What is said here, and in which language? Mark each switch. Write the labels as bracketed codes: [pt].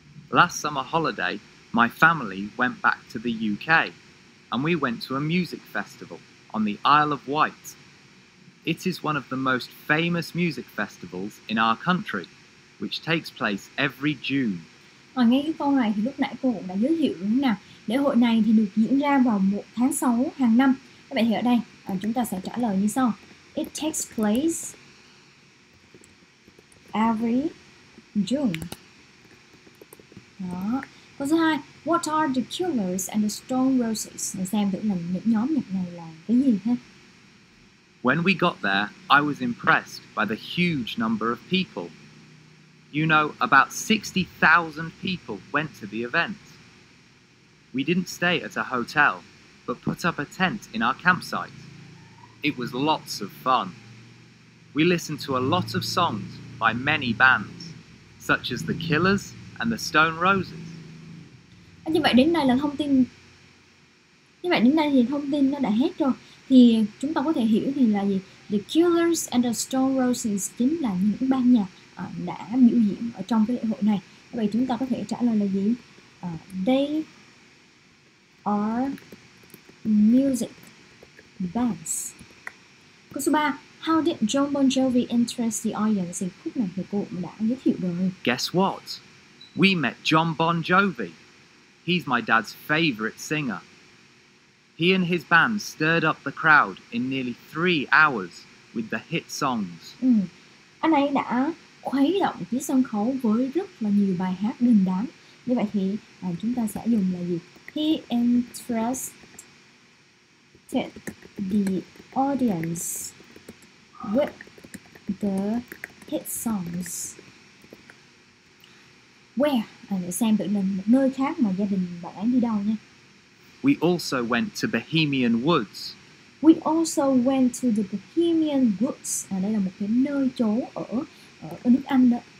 [en] Last summer holiday, my family went back to the UK and we went to a music festival on the Isle of Wight. It is one of the most famous music festivals in our country, which takes place every June. [vi] À, nghe cái câu này thì lúc nãy cô cũng đã giới thiệu đúng không nào? Lễ hội này thì được diễn ra vào 1 tháng 6 hàng năm. Các bạn hiểu đây, chúng ta sẽ trả lời như sau. [en] It takes place every June. [vi] Đó. Câu thứ hai, [en] what are the killers and the stone roses? [vi] Để xem thử là những nhóm nhạc này là cái gì ha. [en] When we got there, I was impressed by the huge number of people. You know, about 60,000 people went to the event. We didn't stay at a hotel, but put up a tent in our campsite. It was lots of fun. We listened to a lot of songs by many bands, such as The Killers and The Stone Roses. [vi] Như vậy đến đây là thông tin. Như vậy đến đây thì thông tin nó đã hết rồi. Thì chúng ta có thể hiểu thì là gì? The Killers and The Stone Roses chính là những ban nhạc đã biểu diễn ở trong cái lễ hội này. Vậy chúng ta có thể trả lời là gì? [en] They are music bands. [vi] Câu số 3, [en] how did Jon Bon Jovi interest the audience? [vi] Khúc này thì cô cũng đã giới thiệu rồi. [en] Guess what? We met Jon Bon Jovi. He's my dad's favorite singer. He and his band stirred up the crowd in nearly 3 hours with the hit songs. [vi] Anh ấy đã khuấy động cái sân khấu với rất là nhiều bài hát đình đám. Như vậy thì chúng ta sẽ dùng là gì? [en] He interested the audience with the hit songs. Where? [vi] Để xem tự mình một nơi khác mà gia đình bạn ấy đi đâu nha. [en] We also went to Bohemian Woods. We also went to the Bohemian Woods. [vi] À, đây là một cái nơi trú ở nước Anh đó.